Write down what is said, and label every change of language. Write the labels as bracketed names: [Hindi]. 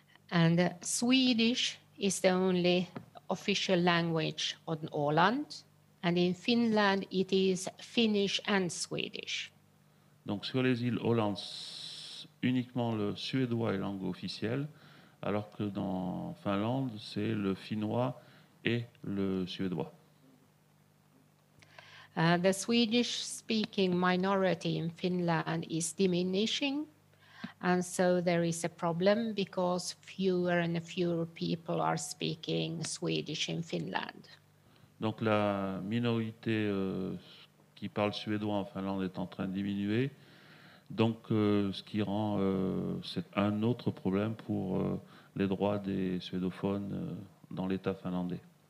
[English] And Swedish is the only official language on Åland, and in Finland it is Finnish and Swedish. [French] Donc sur les îles Åland, uniquement le suédois est langue officielle, alors que dans Finlande, c'est le finnois et le suédois. [English] The Swedish-speaking minority in Finland is diminishing, and so there is a problem because fewer and fewer people are speaking Swedish in Finland. [French] Donc la minorité qui parle suédois en Finlande est en train de diminuer, donc ce qui rend c'est un autre problème pour les droits des suédophones dans l'État finlandais.